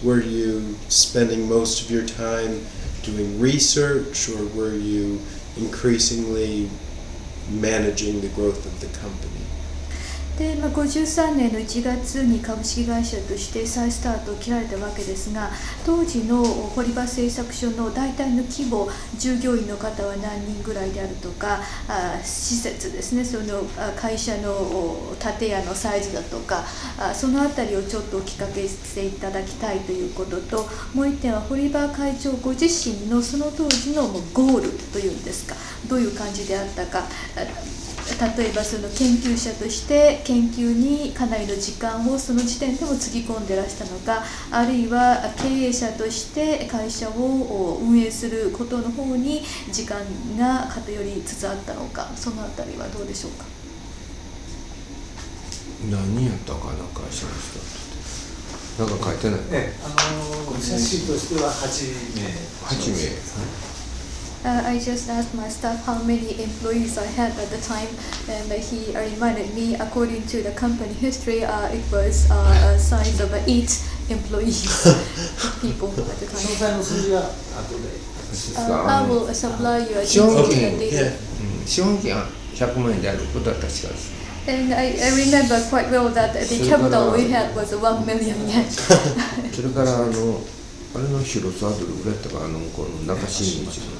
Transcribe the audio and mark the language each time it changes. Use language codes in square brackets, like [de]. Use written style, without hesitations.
[en] Were you spending most of your time doing research, or were you increasingly managing the growth of the company? [ja] で、まあ、53年の1月に株式会社として再スタートを切られたわけですが、当時の堀場製作所の大体の規模、従業員の方は何人ぐらいであるとか、施設ですね、その会社の建屋のサイズだとか、そのあたりをちょっとお聞かせしていただきたいということと、もう一点は堀場会長ご自身のその当時のゴールというんですか、どういう感じであったか。例えばその研究者として研究にかなりの時間をその時点でもつぎ込んでらしたのか、あるいは経営者として会社を運営することの方に時間が偏りつつあったのか、そのあたりはどうでしょうか。何やったかな、会社の人って何か書いてない。写真としては8名。 [en] I just asked my staff how many employees I had at the time, and he reminded me, according to the company history, it was a size of 8 employees, people at the time. I will supply you a detailed data. [ja] 100万円であることは確かです。 [en] And I remember quite well that the capital we had was 1 million yen. [ja] それからあれの広さはどれぐらいだったか、この中新道の。